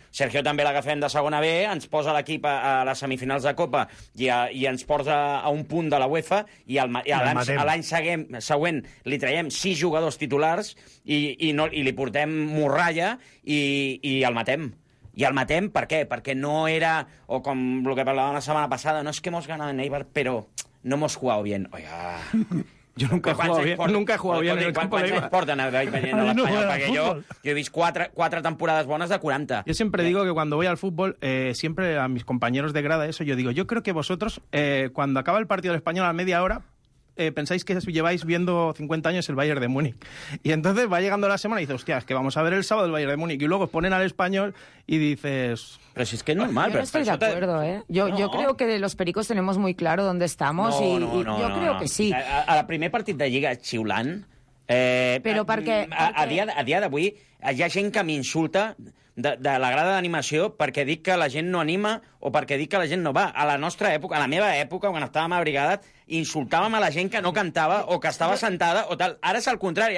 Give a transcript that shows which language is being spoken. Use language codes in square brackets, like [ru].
[ca] Sergio també l'agafem de segona B, ens posa l'equip a les semifinals de Copa i ens porta a un punt de la UEFA i l'any següent li traiem 6 jugadors titulars i li portem morralla i el matem. I el matem, per què? Perquè no era, o com el que parlàvem la setmana passada, no és que mos ganava en Eibar, però no mos jugava bien. [es] Oiga... Jo nunca he jugado bien. Nunca he jugado bien en el campo de Eibar. Porta, no, no, no, porque yo he visto 4 temporadas buenas de 40. Yo siempre digo que cuando voy al fútbol, siempre a mis compañeros de grada, eso yo digo, yo creo que vosotros, cuando acaba el partido del Español a la media hora, pensáis que lleváis viendo 50 años el Bayern de Múnich. Y entonces va llegando la semana y dices, hostia, es que vamos a ver el sábado el Bayern de Múnich. Y luego os ponen al Español y dices... Pero si es que es normal. Yo pero no estoy de acuerdo, ¿eh? Yo creo que los pericos tenemos muy claro dónde estamos y creo que sí. [ca] A la primer partit de Lliga, xiulant... Però perquè... A dia d'avui hi ha gent que m'insulta de la grada d'animació perquè dic que la gent no anima o perquè dic que la gent no va. A la nostra època, a la meva època, quan estàvem a Brigada, insultàvem a la gent que no cantava o que estava sentada o tal. Ara és al contrari.